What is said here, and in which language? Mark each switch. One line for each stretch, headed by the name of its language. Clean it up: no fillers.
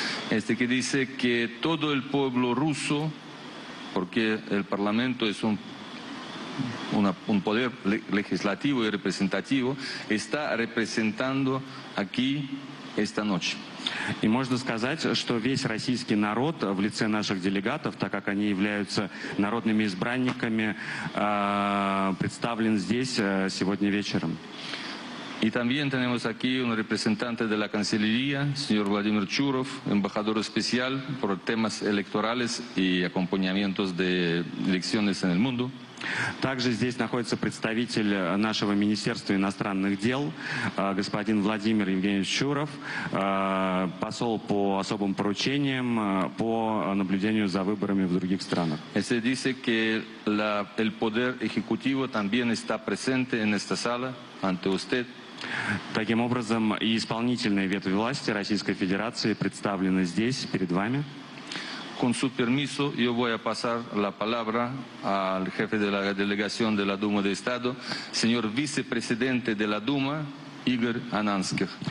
Spanish: Este que dice que todo el pueblo ruso, porque el Parlamento es un poder legislativo y representativo, está representando aquí esta noche.
Russian: И можно сказать, что весь российский народ в лице наших делегатов, так как они являются народными избранниками, представлен здесь сегодня вечером. И
Spanish: también tenemos aquí un representante de la Cancillería, señor Владимир Чуров, embajador especial por temas electorales y acompañamientos de elecciones en el mundo.
Russian: Также здесь находится представитель нашего Министерства иностранных дел, господин Владимир Евгеньевич Чуров, посол по особым поручениям, по наблюдению за выборами в других странах.
Spanish: Se dice que el poder ejecutivo también está presente en esta sala ante usted.
Russian: Таким образом, и исполнительная ветвь власти Российской Федерации представлена здесь, перед вами.
Spanish: Con su permiso, yo voy a pasar la palabra al jefe de la delegación de la Duma de Estado, señor vicepresidente de la Duma, Игорь Ананских.